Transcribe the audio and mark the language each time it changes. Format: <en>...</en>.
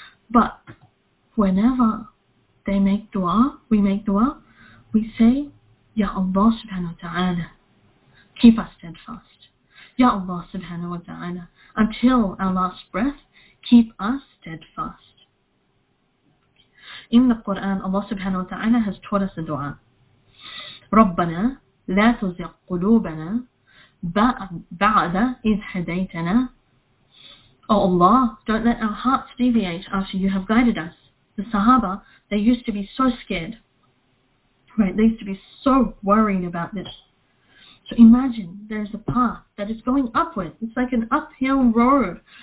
<en>But whenever they make dua, we make dua, we say, Ya Allah subhanahu wa ta'ala, keep us steadfast. Ya Allah subhanahu wa ta'ala, until our last breath, keep us steadfast. In the Quran, Allah subhanahu wa ta'ala has taught us a dua.</en> <ar>ربنا لا تزغ قلوبنا بعد إذ هديتنا.</ar> <en>Oh Allah, don't let our hearts deviate after you have guided us. The Sahaba, they used to be so scared. Right, they used to be so worried about this. So imagine there's a path that is going upward. It's like an uphill road.</en>